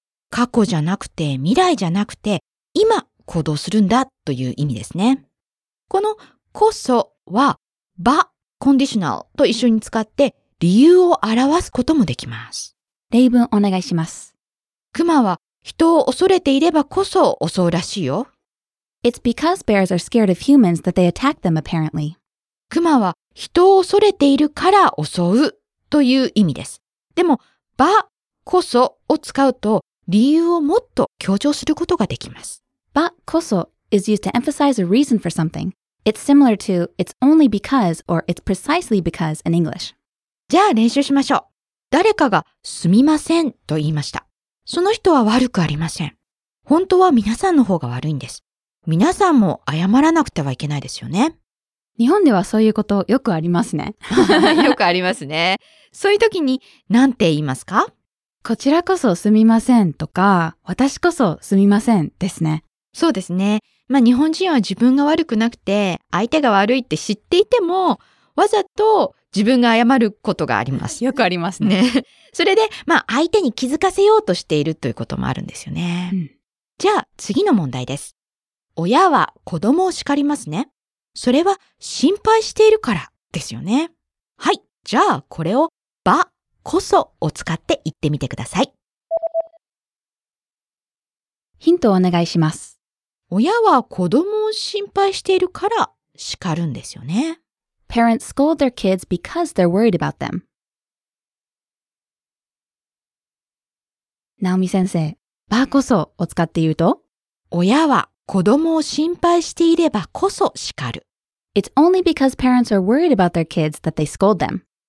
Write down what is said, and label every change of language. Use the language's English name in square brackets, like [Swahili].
[Japanese] 過去じゃなくて未来じゃなくて今行動するんだという意味ですね。このこそは but conditional と一緒に使って理由を表すこともできます。例文お願いします。クマは人を恐れていればこそ襲うらしいよ。 [English] It's because bears are scared of humans that they attack them apparently. [Japanese] クマは人を恐れているから襲うという意味です。でも、ばこそを使うと理由をもっと強調することができます。 [English] ばこそ is used to emphasize a reason for something. It's similar to it's only because or it's precisely because in English. [Japanese] じゃあ練習しましょう。誰かがすみませんと言いました。その人は悪くありません。本当は皆さんの方が悪いんです。皆さんも謝らなくてはいけないですよね。日本ではそういうことよくありますね。よくありますね。そういう時に何て言いますか？こちらこそすみませんとか、私こそすみませんですね。そうですね。まあ日本人は自分が悪くなくて、相手が悪いって知っていても、わざと自分が謝ることがあります。よくありますね。それで、まあ相手に気づかせようとしているということもあるんですよね。うん、じゃあ次の問題です。親は子供を叱りますね。それは心配しているからですよね。はい、じゃあこれをばこそを使って言ってみてください。ヒントをお願いします。親は子供を心配しているから叱るんですよね。 [English] Parents scold their kids because they're worried about them. [Japanese] Naomi 先生、ばこそを使って言うと、親は子供を心配していればこそ叱る。 [English] It's only because parents are worried about their kids that they scold them.